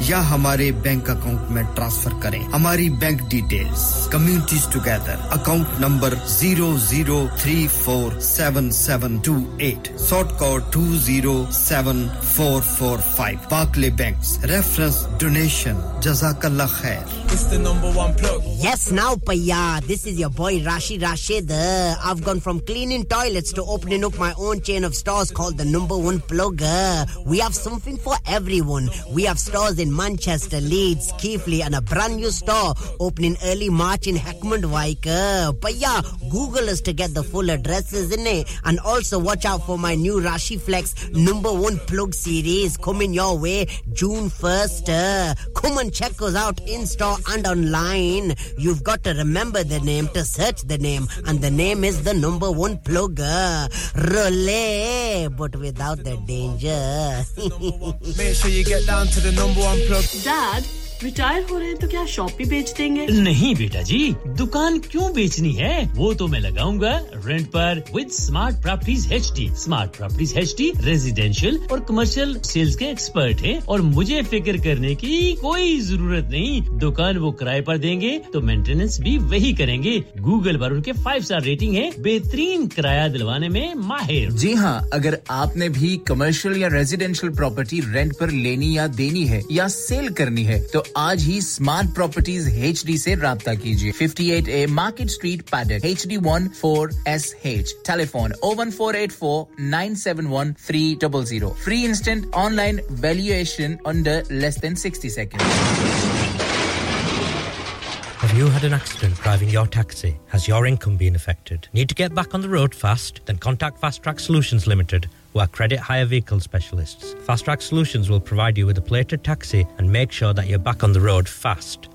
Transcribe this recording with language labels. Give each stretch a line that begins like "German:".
Hindi: या हमारे bank account में ट्रांसफर करें हमारी bank details communities together account number 0034778 sort code 207445 पाकले banks reference donation जजाकल्लाह खैर
English: Yes, now, paya. This is your boy Rashid Rashid. I've gone from cleaning toilets to opening up my own chain of stores called the Number One Plug. We have something for everyone. We have stores in Manchester, Leeds, Keighley, and a brand new store opening early March in Heckmondwike. Paya, Google us to get the full addresses, innit? And also watch out for my new Rashi Flex Number One Plug series coming your way June 1st. Come and check us out in store and on. Line, you've got to remember the name to search the name, and the name is the Number One Plug. Relay, but without the danger. Make sure you get down to the Number One Plug. Dad,
Hindi: retire हो रहे हैं तो क्या shop ही बेच देंगे? नहीं बेटा जी, दुकान क्यों बेचनी है? वो तो मैं लगाऊंगा रेंट पर with smart properties HD. Smart properties HD residential और कमर्शियल सेल्स के एक्सपर्ट हैं और मुझे फिक्र करने की कोई जरूरत नहीं। दुकान वो किराए पर देंगे तो मेंटेनेंस भी वही करेंगे। गूगल पर उनके 5 स्टार रेटिंग है, बेहतरीन किराया दिलवाने में माहिर। जी हां, अगर आपने भी कमर्शियल या रेजिडेंशियल प्रॉपर्टी रेंट पर लेनी या देनी है या सेल करनी है तो आज ही स्मार्ट प्रॉपर्टीज एचडी से राब्ता कीजिए। 58A market street paddock HD14SH। Telephone 01484971300।
English: Free instant online valuation under less than 60 seconds. Have you had an accident driving your taxi? Has your income been affected? Need to get back on the road fast? Then contact Fast Track Solutions Limited, who are credit hire vehicle specialists. Fast Track Solutions will provide you with a plated taxi and make sure that you're back on the road fast.